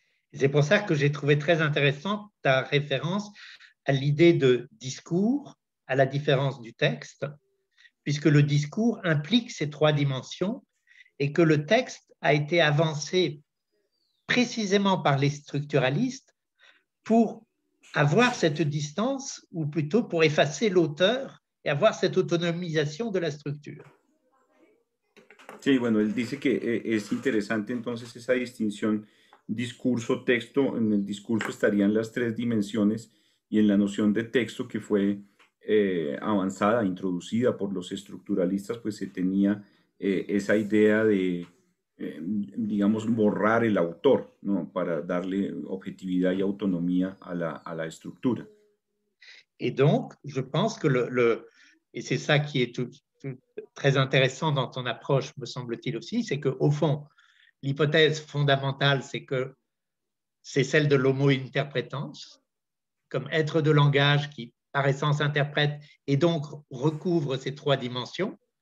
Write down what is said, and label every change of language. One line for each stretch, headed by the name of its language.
Spanish: Es por eso que
French: j'ai trouvé très intéressante ta référence à l'idée de discours, à la différence du texte, puisque le discours implique ces trois dimensions et que le texte a été avancé précisément par les structuralistes pour avoir cette distance, ou plutôt pour effacer l'auteur et avoir cette autonomisation de la structure.
Spanish: Sí, bueno, él dice que es interesante entonces esa distinción discurso-texto. En el discurso estarían las tres dimensiones y en la noción de texto que fue avanzada, introducida por los estructuralistas, pues se tenía esa idea de, digamos, borrar el autor, ¿no? Para darle objetividad y autonomía a la estructura.
French: Et donc, je pense que le et c'est ça qui est tout très intéressant dans ton approche, me semble-t-il aussi, c'est que au fond, l'hypothèse fondamentale, c'est que c'est celle de l'homo interprétans, comme être de langage qui, par essence, interprète et donc recouvre ces trois dimensions.